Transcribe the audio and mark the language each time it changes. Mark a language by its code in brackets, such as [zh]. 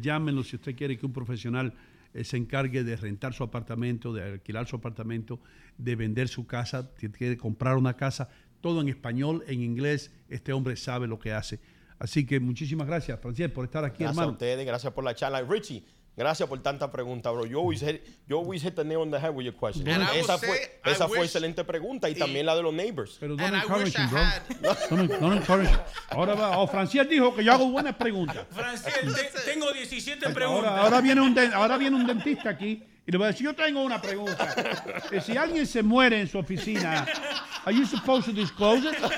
[es] Llámenlo si usted quiere que un profesional se encargue de rentar su apartamento, de alquilar su apartamento, de vender su casa, quiere comprar una casa, todo en español, en inglés. Este hombre sabe lo que hace. Así que muchísimas gracias, Franciel, por estar aquí, gracias, hermano. Gracias a ustedes, gracias por la charla. Richie, gracias por tanta pregunta, bro. [en] You always hit the nail on the head with your question. [es] Esa fue excelente pregunta y también la de los neighbors. Pero no encouraging, bro. No encouraging. Ahora va. Franciel dijo que yo hago buenas preguntas. Franciel, tengo 17 preguntas. Ahora viene un dentista aquí y le voy a decir, yo tengo una pregunta. Si alguien se muere en su oficina, [en] ¿are you supposed to disclose it?